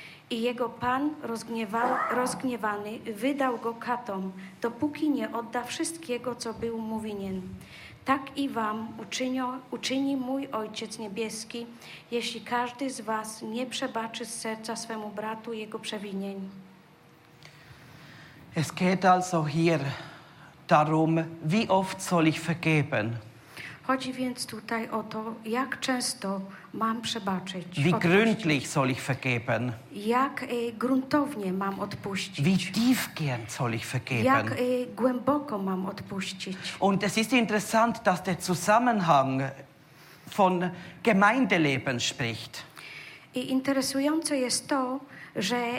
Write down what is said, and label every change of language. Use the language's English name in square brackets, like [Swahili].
[Polish] I jego pan rozgniewany wydał go katom, dopóki nie odda wszystkiego, co był mu winien. Tak i wam uczyni mój Ojciec Niebieski, jeśli każdy z was nie przebaczy z serca swemu bratu jego przewinień. [German] Es geht also hier darum, wie oft soll ich vergeben? [Polish] Chodzi więc tutaj o to, jak często mam przebaczyć. [German] Wie gründlich soll ich vergeben? [Polish] Jak gruntownie mam odpuścić? [German] Wie tiefgehend soll ich vergeben? [Polish] Jak głęboko mam odpuścić? [German] Und es ist interessant, dass der Zusammenhang von Gemeindeleben spricht. [Polish] I interesujące jest to, że